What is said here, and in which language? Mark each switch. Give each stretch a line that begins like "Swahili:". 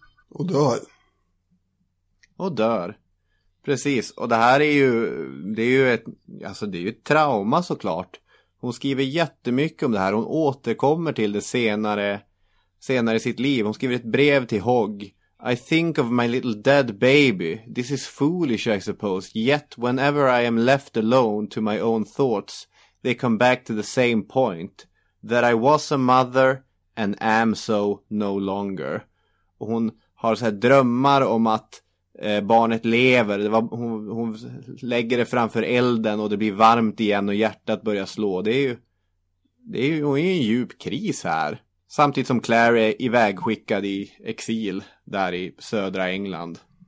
Swedish: Och dör. Och dör. Precis. Och det här är ju, det är ju ett, alltså det är ju ett trauma såklart. Hon skriver jättemycket om det här. Hon återkommer till det senare i sitt liv. Hon skriver ett brev till Hogg.
English: I think of my little dead baby. This is foolish, I suppose. Yet whenever I am left alone to my own thoughts, they come back to the same point. That I was a mother and am so no longer.
Swedish: Och hon har så här drömmar om att barnet lever. Det var, hon lägger det framför elden och det blir varmt igen och hjärtat börjar slå. Det är ju hon är i en djup kris här. Samtidigt som Claire är ivägskickad i exil där i södra England.